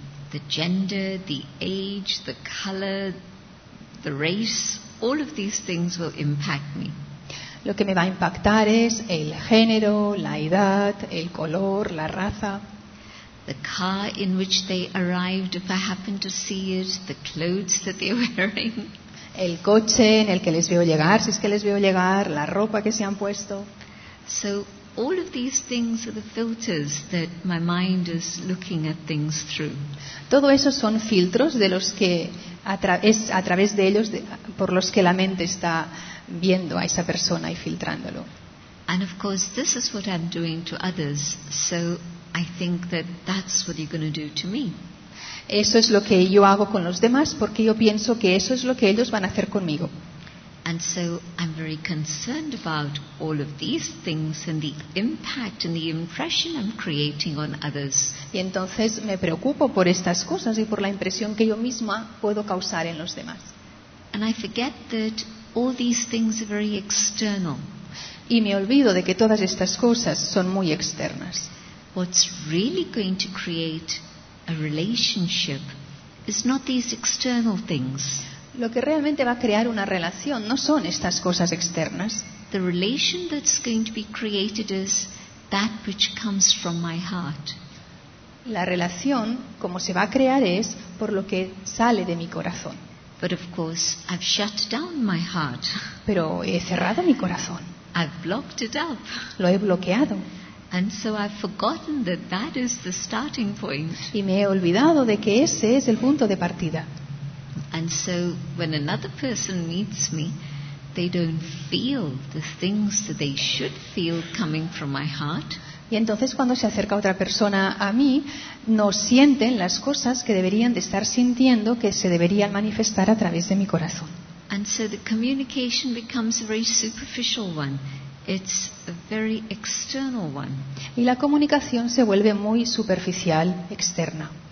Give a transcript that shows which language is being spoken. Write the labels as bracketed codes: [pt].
[en] The gender, the age, the color, the race, all of these things will impact me. [es] Lo que me va a impactar es el género, la edad, el color, la raza. [en] The car in which they arrived, if I happen to see it, the clothes that they're wearing. [es] El coche en el que les veo llegar, si es que les veo llegar, la ropa que se han puesto. [en] So all of these things are the filters that my mind is looking at things through. [es] Todo eso son filtros de los que es a través de ellos por los que la mente está viendo a esa persona y filtrándolo. [en] And of course, this is what I'm doing to others, so I think that that's what you're going to do to me. [es] Eso es lo que yo hago con los demás porque yo pienso que eso es lo que ellos van a hacer conmigo. [en] And so I'm very concerned about all of these things and the impact and the impression I'm creating on others. [es] Y entonces me preocupo por estas cosas y por la impresión que yo misma puedo causar en los demás. [en] And I forget that all these things are very external. [es] Y me olvido de que todas estas cosas son muy externas. [en] What's really going to create a relationship is not these external things. [es] Lo que realmente va a crear una relación no son estas cosas externas. [en] The relation that's going to be created is that which comes from my heart. [es] La relación, como se va a crear, es por lo que sale de mi corazón. [en] But of course, I've shut down my heart. [es] Pero he cerrado mi corazón. [en] I've blocked it up. [es] Lo he bloqueado. [en] And so I've forgotten that that is the starting point. [es] Y me he olvidado de que ese es el punto de partida. [en] And so when another person meets me, they don't feel the things that they should feel coming from my heart. [es] Y entonces cuando se acerca otra persona a mí, no sienten las cosas que deberían de estar sintiendo, que se deberían manifestar a través de mi corazón. [en] And so the communication becomes a very superficial one. It's a very external one. [es] Y la comunicación se vuelve muy superficial, externa.